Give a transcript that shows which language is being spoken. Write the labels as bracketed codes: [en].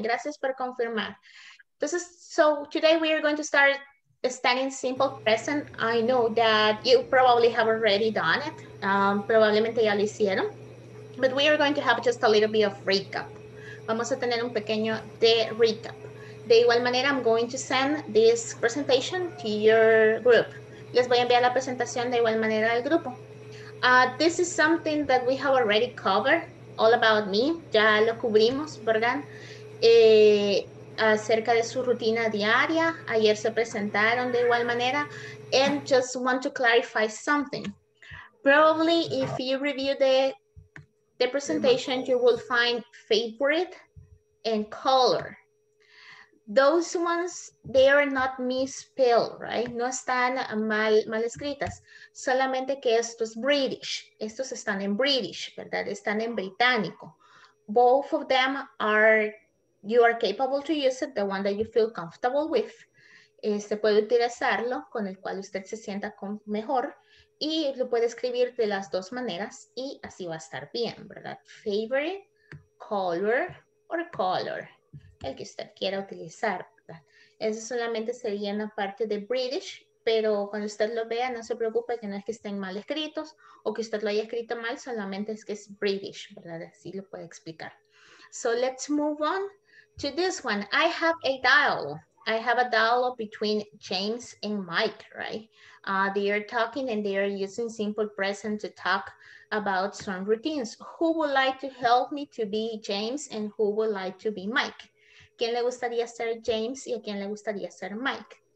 [es] Gracias por confirmar. [en] So today we are going to start standing simple present. I know that you probably have already done it. [es] Probablemente ya lo hicieron. [en] But we are going to have just a little bit of recap. [es] Vamos a tener un pequeño de recap. De igual manera, [en] I'm going to send this presentation to your group. [es] Les voy a enviar la presentación de igual manera al grupo. [en] This is something that we have already covered, all about me. [es] Ya lo cubrimos, ¿verdad? Acerca de su rutina diaria. Ayer se presentaron de igual manera. [en] And just want to clarify something. Probably if you review the presentation, you will find favorite and color. Those ones, they are not misspelled, right? [es] No están mal escritas. Solamente que esto es British. Estos están en British, ¿verdad? Están en británico. [en] Both of them are, you are capable to use it, the one that you feel comfortable with. [es] Este puede utilizarlo con el cual usted se sienta mejor y lo puede escribir de las dos maneras y así va a estar bien, ¿verdad? Favorite, color, or color, el que usted quiera utilizar, ¿verdad? Eso solamente sería en la parte de British, pero cuando usted lo vea no se preocupe que no es que estén mal escritos o que usted lo haya escrito mal, solamente es que es British, ¿verdad? Así lo puede explicar. [en] So let's move on to this one. I have a dialogue. I have a dialogue between James and Mike, right? They are talking and they are using simple present to talk about some routines. Who would like to help me to be James and who would like to be Mike? [es] ¿Quién le gustaría ser James y a quién le gustaría ser Mike?